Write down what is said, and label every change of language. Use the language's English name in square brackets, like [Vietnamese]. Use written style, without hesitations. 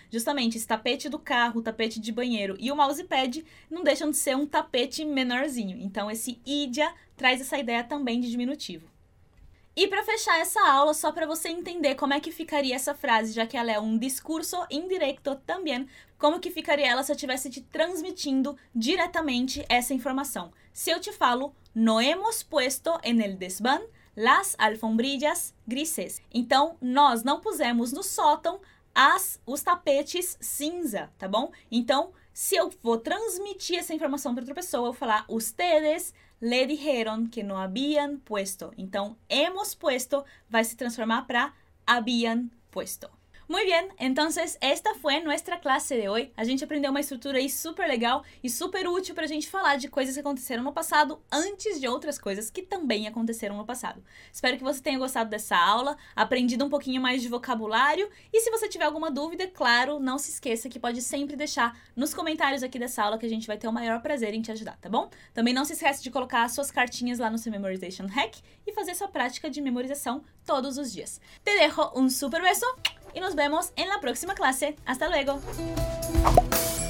[Portuguese] Justamente, esse tapete do carro, o tapete de banheiro e o mousepad não deixam de ser um tapete menorzinho. Então, esse idia traz essa ideia também de diminutivo. E para fechar essa aula, só para você entender como é que ficaria essa frase, já que ela é um discurso indireto também, como que ficaria ela se eu estivesse te transmitindo diretamente essa informação? Se eu te falo, [Spanish] no hemos puesto en el desván las alfombrillas grises. [Portuguese] Então, nós não pusemos no sótão os tapetes cinza, tá bom? Então, se eu vou transmitir essa informação para outra pessoa, eu vou falar, [Spanish] ustedes le dijeron que no habían puesto. [Portuguese] Então, hemos puesto vai se transformar para habían puesto. [Spanish] Muy bien, entonces esta fue nuestra clase de hoy. [Portuguese] A gente aprendeu uma estrutura aí super legal e super útil para a gente falar de coisas que aconteceram no passado antes de outras coisas que também aconteceram no passado. Espero que você tenha gostado dessa aula, aprendido um pouquinho mais de vocabulário e se você tiver alguma dúvida, claro, não se esqueça que pode sempre deixar nos comentários aqui dessa aula que a gente vai ter o maior prazer em te ajudar, tá bom? Também não se esquece de colocar as suas cartinhas lá no seu Memorization Hack e fazer sua prática de memorização todos os dias. [Spanish] Te dejo un super beso! Y nos vemos en la próxima clase. ¡Hasta luego!